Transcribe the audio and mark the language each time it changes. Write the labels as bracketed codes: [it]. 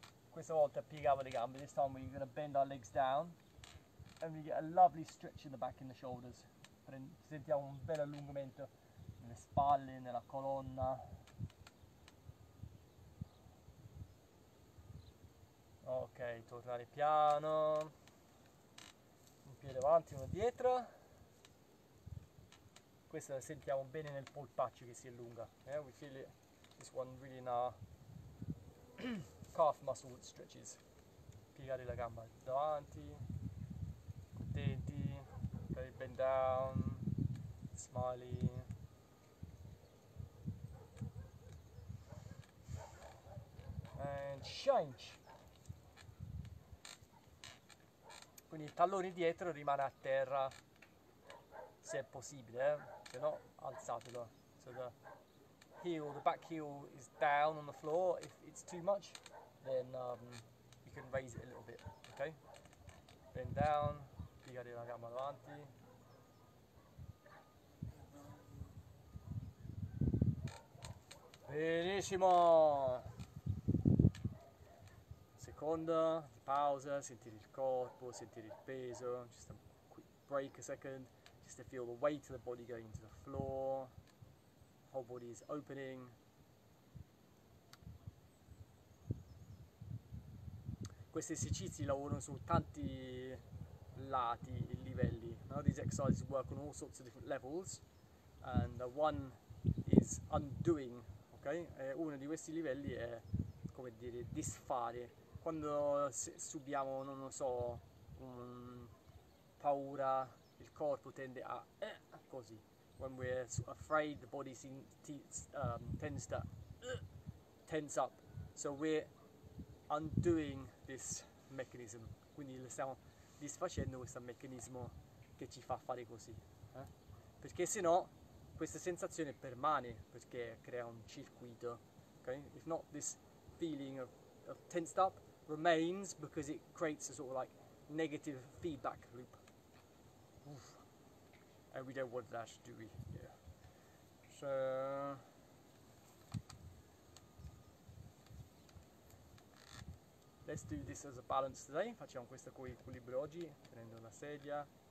[it] Questa volta piegavo le gambe, [en] this time we're going to bend our legs down and we get a lovely stretch in the back and the shoulders. [it] Sentiamo un bel allungamento nelle spalle, nella colonna. Ok, tornare piano. Un piede avanti, uno dietro. Questa la sentiamo bene nel polpaccio che si allunga. [en] We feel it, this one really in our calf muscle stretches. [it] Piegare la gamba davanti, contenti, [en] very bend down, smiley. And change. [it] Quindi il tallone dietro rimane a terra, se è possibile, se no alzatelo. [en] So the back heel is down on the floor. If it's too much, then you can raise it a little bit, okay? Bend down, [it] piegare la gamba davanti. Benissimo! Seconda, pausa, sentire il corpo, sentire il peso. [en] Just a quick break, a second, just to feel the weight of the body going to the floor. Whole body is opening. [it] Questi esercizi lavorano su tanti lati e livelli. [en] Now these exercises work on all sorts of different levels, and one is undoing. Okay? [it] Uno di questi livelli è, come dire, disfare. Quando subiamo, non lo so, paura, il corpo tende a così. [en] When we're afraid, the body tends to tense up. So we're undoing this mechanism. [it] Quindi stiamo disfacendo questo meccanismo che ci fa fare così. Perché se no, questa sensazione permane perché crea un circuito. [en] Okay? If not, this feeling of tensed up remains because it creates a sort of like negative feedback loop. Oof. And we don't want that, do we? Yeah. So let's do this as a balance today. [it] Facciamo questo con equilibrio oggi, prendo una sedia.